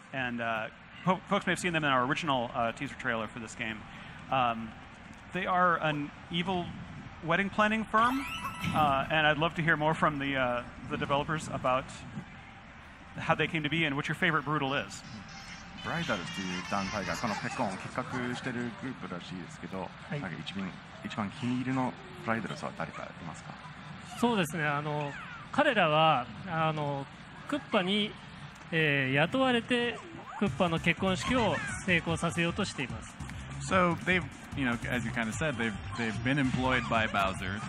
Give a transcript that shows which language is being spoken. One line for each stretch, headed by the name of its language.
English: And folks may have seen them in our original teaser trailer for this game. They are an evil wedding planning firm, and I'd love to hear more from the developers about how they came to be and what your favorite Brutal is.
Japanese: ブライダルズという団体がこの結婚を企画しているグループらしいですけど、はい、なんか一番気に入りのブライダルズは誰かいますか？そうですね、彼らはクッパに、雇われてクッパの結婚式を成功させようとしています。
English: So they've you know, as you kind of said, they've been employed by Bowser.